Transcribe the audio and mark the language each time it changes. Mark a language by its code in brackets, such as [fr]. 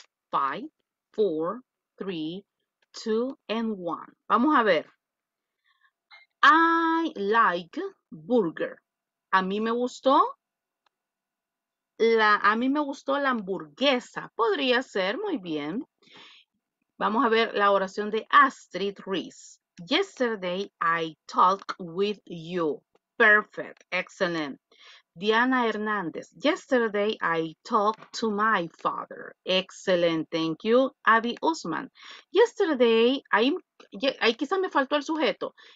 [es] 5, 4, 3, 2, and 1. Vamos a ver. I like burger. A mí me gustó. A mí me gustó la hamburguesa. Podría ser, muy bien. Vamos a ver la oración de Astrid Reese. [en] Yesterday I talked with you. Perfect, excellent. Diana Hernández, yesterday I talked to my father. Excellent, thank you. [es] Abby Usman, yesterday, quizás me faltó el sujeto.